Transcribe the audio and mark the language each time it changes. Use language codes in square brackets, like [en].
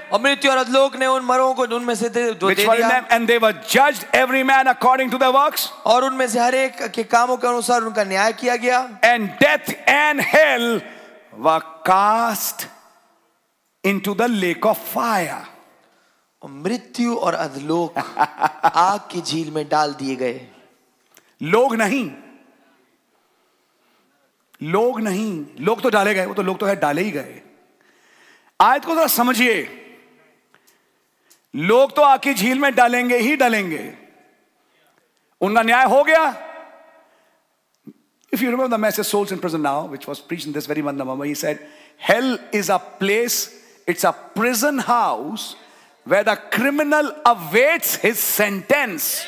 [hi] और मृत्यु और अधोलोक ने उन मरों को उनमें से दे दिया [en] and they were judged every man according to their works [hi] और उनमें से हर एक के कामों के अनुसार उनका न्याय किया गया [en] and death and hell were cast into the lake of fire [hi] और मृत्यु और अधोलोक आग की झील में डाल दिए गए लोग नहीं लोग नहीं लोग तो डाले गए वो तो लोग तो है डाले ही गए आयत को जरा समझिए लोग तो आके झील में डालेंगे ही डालेंगे उनका न्याय हो गया [en] if you remember the message souls in prison now which was preached in this very month November he said hell is a place it's a prison house where the criminal awaits his sentence